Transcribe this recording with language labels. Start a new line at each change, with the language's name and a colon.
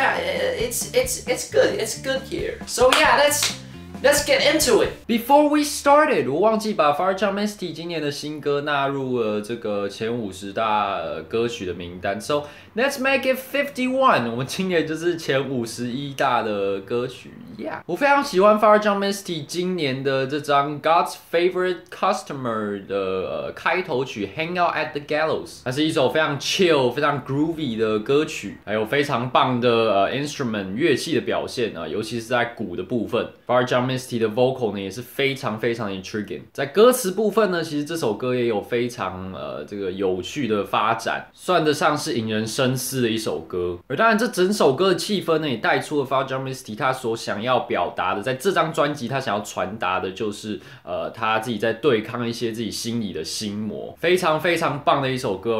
English: Yeah, it's good here. So yeah, Let's get into it. Before we started,
Chinese: 我忘记把 Far Jump Misty 今年的新歌纳入了这个前五十大歌曲的名单。
English: So let's make it 51.
Chinese: 我们今年就是前五十一大的歌曲。
English: Yeah.
Chinese: 我非常喜欢 Far Jump Misty 今年的这张 God's Favorite Customer 的开头曲 Hang Out at the Gallows. 它是一首非常 chill, 非常 groovy 的歌曲，还有非常棒的instrument 乐器的表现尤其是在鼓的部分。 Far Jump Misty 的 vocal 呢也是非常非常 intriguing。在歌词部分呢，其实这首歌也有非常这个有趣的发展，算得上是引人深思的一首歌。而当然，这整首歌的气氛呢，也带出了 Far Jump Misty 他所想要表达的，在这张专辑他想要传达的就是他自己在对抗一些自己心里的心魔，非常非常棒的一首歌。